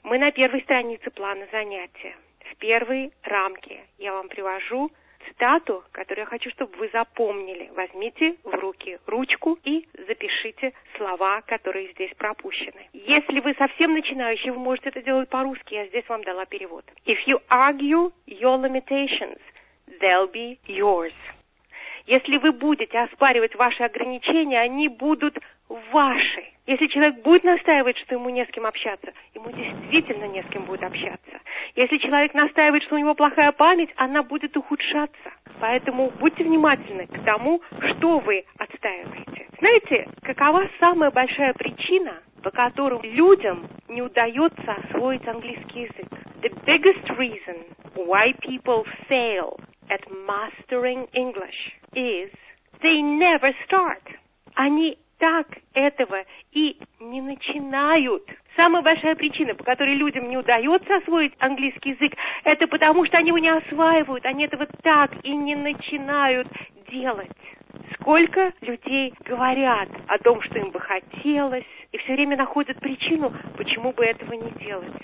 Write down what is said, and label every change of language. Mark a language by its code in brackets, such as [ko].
[ru] Мы на первой странице плана занятия. В первой рамке я вам привожу цитату, которую я хочу, чтобы вы запомнили. Возьмите в руки ручку и запишите слова, которые здесь пропущены. Если вы совсем начинающий, вы можете это делать по-русски, я здесь вам дала перевод. [en] If you argue your limitations, they'll be yours. [ru] Если вы будете оспаривать ваши ограничения, они будут ваши. Если человек будет настаивать, что ему не с кем общаться, ему действительно не с кем будет общаться. Если человек настаивает, что у него плохая память, она будет ухудшаться. Поэтому будьте внимательны к тому, что вы отстаиваете. Знаете, какова самая большая причина, по которой людям не удается освоить английский язык? [en] The biggest reason why people fail at mastering English is they never start. [ru] Они так этого и не начинают. Самая большая причина, по которой людям не удается освоить английский язык, это потому, что они его не осваивают, они этого так и не начинают делать. Сколько людей говорят о том, что им бы хотелось, и все время находят причину, почему бы этого не делать.